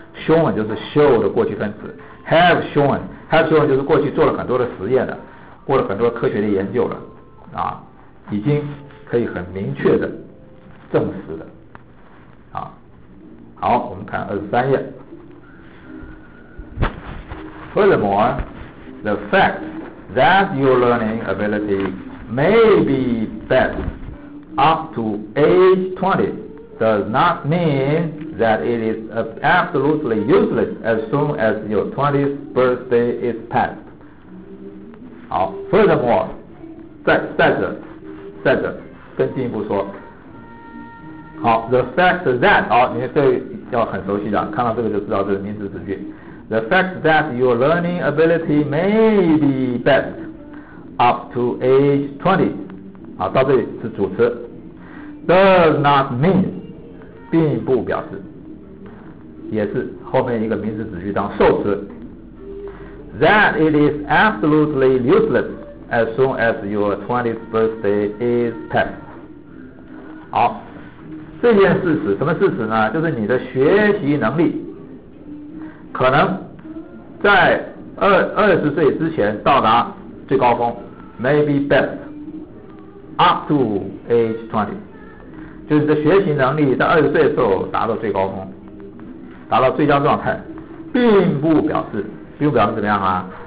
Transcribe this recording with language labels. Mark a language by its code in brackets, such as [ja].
[zh] shown 就是 show 的过去分词 ，have shown 就是过去做了很多的实验的，过了很多科学的研究了，啊，已经可以很明确的证实的啊。好，我们看23页。 [en] Furthermore, the fact that your learning ability may be best up to age 20 does not mean that it is absolutely useless as soon as your 20th birthday is passed. [zh] 好， furthermore, 再者跟进一步说，好， [en] the fact that, [zh] 好，你这要很熟悉的，看到这个就知道这是名词子句。 [en] The fact that your learning ability may be best up to age 20, [zh] 好，到这里是主词， [en] does not mean, [zh] 并不表示，也是后面一个名词子句当受词， [en] that it is absolutely useless as soon as your 20th birthday is passed. [zh] 好，这件事实，什么事实呢？就是你的学习能力可能在20岁之前到达最高峰， [en] maybe best up to age 20, [zh] 就是你的学习能力在20岁的时候达到最高峰，达到最佳状态，并不表示怎么样啊？